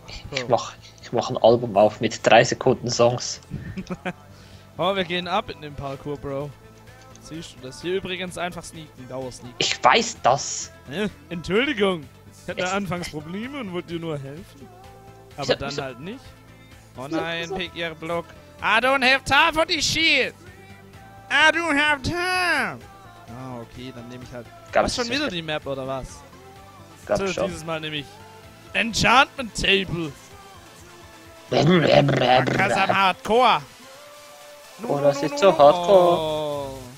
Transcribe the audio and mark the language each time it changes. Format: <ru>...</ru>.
<de>Ich mach ein Album auf mit 3 Sekunden Songs. Oh, wir gehen ab in den Parkour, Bro. Siehst du das? Hier übrigens einfach sneaken, Dauersneaken. Ich weiß das! Entschuldigung! Ich hatte anfangs Probleme und wollte dir nur helfen. Aber dann halt nicht. Oh nein,</de> <en>pick your block. I don't have time for this shit! I don't have time!</en> <de>Ah, oh, okay, dann nehme ich halt. Hast schon wieder die Map oder was? Gab's schon. Dieses Mal nehme ich Enchantment Table! Kasam Hardcore! Oh, das ist so hardcore!</de>